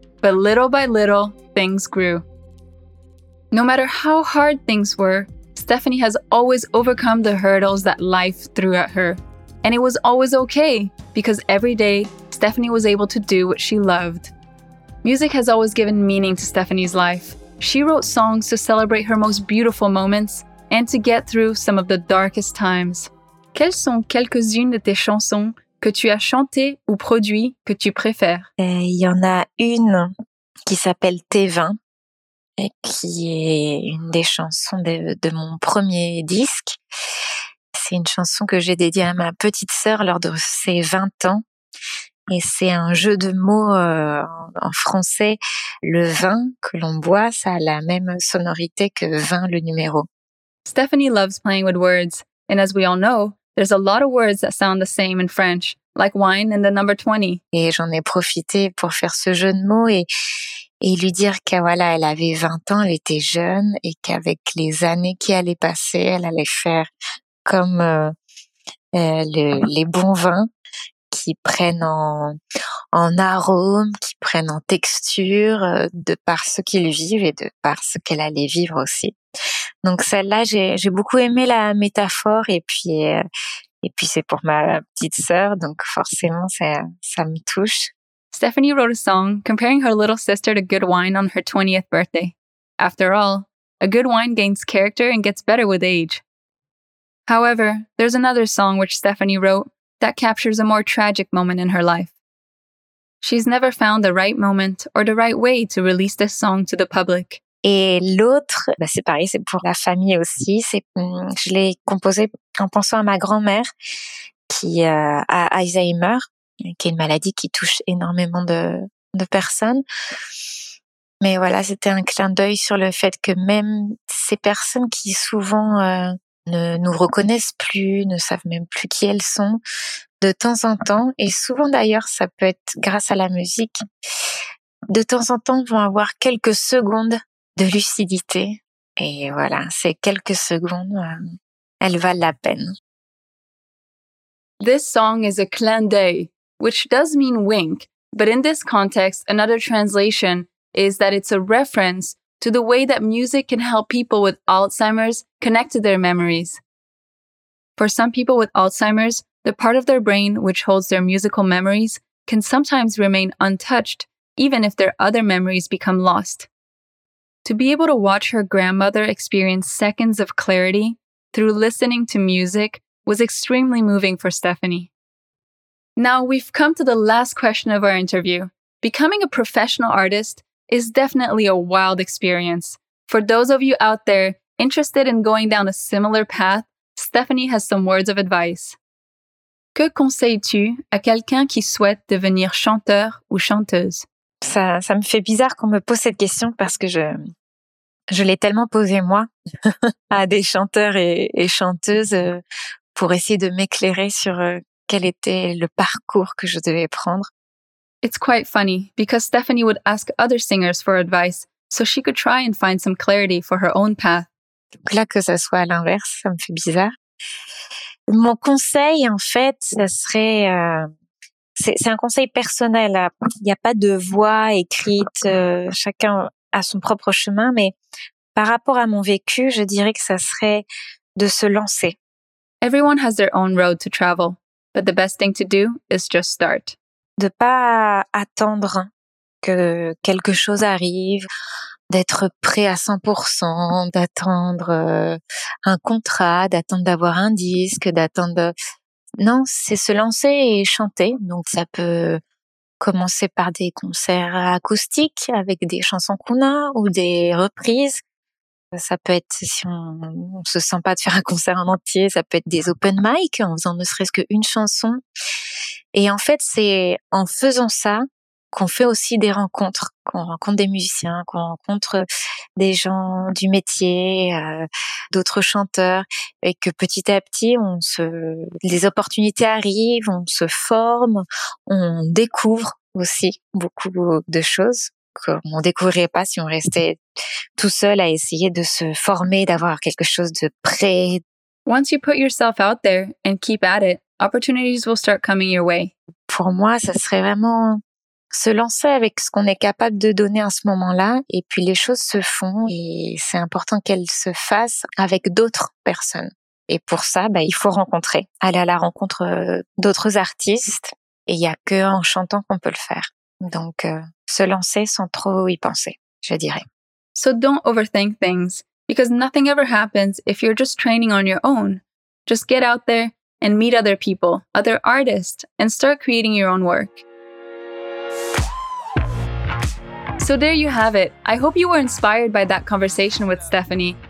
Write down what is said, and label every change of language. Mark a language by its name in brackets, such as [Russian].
[English] But little by little, things grew. No matter how hard things were, Stephanie has always overcome the hurdles that life threw at her. And it was always okay, because every day, Stephanie was able to do what she loved. Music has always given meaning to Stephanie's life. She wrote songs to celebrate her most beautiful moments and to get through some of the darkest times. [French] Quelles sont quelques-unes de tes chansons que tu as chantées ou produites que tu préfères? Il y en a une qui s'appelle Tes vins et qui est une des chansons de mon premier disque. C'est une chanson que j'ai dédiée à ma petite sœur lors de ses 20 ans. Et c'est un jeu de mots en français. Le vin que l'on boit, ça a la même sonorité que 20, le numéro. [English] Stephanie loves playing with words. And as we all know, there's a lot of words that sound the same in French, like wine and the number 20. [French] Et j'en ai profité pour faire ce jeu de mots et lui dire que voilà, elle avait 20 ans, elle était jeune, et qu'avec les années qui allaient passer, elle allait faire comme les bons vins, qui prennent en arôme, qui prennent en texture, de par ce qu'ils vivent et de par ce qu'elle allait vivre aussi. Donc celle-là, j'ai beaucoup aimé la métaphore, et puis c'est pour ma petite sœur, donc forcément ça me touche. [English] Stephanie wrote a song comparing her little sister to good wine on her 20th birthday. After all, a good wine gains character and gets better with age. However, there's another song which Stephanie wrote that captures a more tragic moment in her life. She's never found the right moment or the right way to release this song to the public. [French] Et l'autre, bah c'est pareil, c'est pour la famille aussi. Je l'ai composée en pensant à ma grand-mère qui a Alzheimer, qui est une maladie qui touche énormément de personnes. Mais voilà, c'était un clin d'œil sur le fait que même ces personnes qui souvent... ne nous reconnaissent plus, ne savent même plus qui elles sont, de temps en temps, et souvent d'ailleurs, ça peut être grâce à la musique, de temps en temps, vont avoir quelques secondes de lucidité. Et voilà, ces quelques secondes, elles valent la peine. [English] This song is a clin d'œil, which does mean wink, But in this context, another translation is that it's a reference to the way that music can help people with Alzheimer's connect to their memories. For some people with Alzheimer's, the part of their brain which holds their musical memories can sometimes remain untouched, even if their other memories become lost. To be able to watch her grandmother experience seconds of clarity through listening to music was extremely moving for Stephanie. Now we've come to the last question of our interview. Becoming a professional artist is definitely a wild experience. For those of you out there interested in going down a similar path, Stephanie has some words of advice. [French] Que conseilles-tu à quelqu'un qui souhaite devenir chanteur ou chanteuse? Ça me fait bizarre qu'on me pose cette question parce que je l'ai tellement posée moi à des chanteurs et chanteuses pour essayer de m'éclairer sur quel était le parcours que je devais prendre. [English] It's quite funny because Stephanie would ask other singers for advice so she could try and find some clarity for her own path. [French] Donc là, que ça soit à l'inverse, ça me fait bizarre. Mon conseil, en fait, ça serait... C'est un conseil personnel. Il n'y a pas de voix écrite, chacun a son propre chemin, mais par rapport à mon vécu, je dirais que ça serait de se lancer. [English] Everyone has their own road to travel, but the best thing to do is just start. [French] De pas attendre que quelque chose arrive, d'être prêt à 100%, d'attendre un contrat, d'attendre d'avoir un disque, d'attendre... Non, c'est se lancer et chanter. Donc, ça peut commencer par des concerts acoustiques avec des chansons qu'on a ou des reprises. Ça peut être, si on se sent pas de faire un concert en entier, ça peut être des open mic en faisant ne serait-ce qu'une chanson. Et en fait, c'est en faisant ça qu'on fait aussi des rencontres, qu'on rencontre des musiciens, qu'on rencontre des gens du métier, d'autres chanteurs, et que petit à petit, les opportunités arrivent, on se forme, on découvre aussi beaucoup de choses qu'on ne découvrirait pas si on restait tout seul à essayer de se former, d'avoir quelque chose de prêt. [English] Once you put yourself out there and keep at it, opportunities will start coming your way. [French] Pour moi, ça serait vraiment se lancer avec ce qu'on est capable de donner en ce moment-là, et puis les choses se font, et c'est important qu'elles se fassent avec d'autres personnes. Et pour ça, il faut rencontrer, aller à la rencontre d'autres artistes, et il n'y a qu'en chantant qu'on peut le faire. Donc, se lancer sans trop y penser, je dirais. [English] So don't overthink things, because nothing ever happens if you're just training on your own. Just get out there and meet other people, other artists, and start creating your own work. So there you have it. I hope you were inspired by that conversation with Stephanie.